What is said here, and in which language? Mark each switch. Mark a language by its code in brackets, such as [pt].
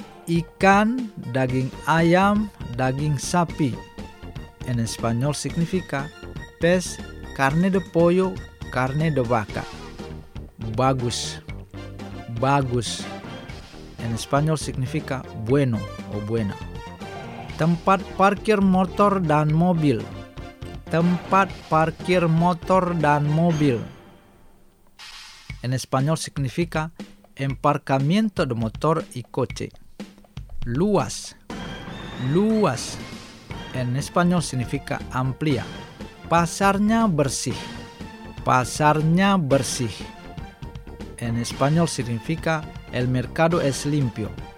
[id] Ikan, daging ayam, daging sapi. [es] En español significa pez, carne de pollo, carne de vaca. [id] Bagus. Bagus. [es] En español significa bueno o buena. [id] Tempat parkir motor dan mobil. Tempat parkir motor dan mobil. [es] En español significa emparcamiento de motor y coche. [id] Luas. Luas. [es] En español significa amplia. [id] Pasarnya bersih. Pasarnya bersih. [es] En español significa el mercado es limpio.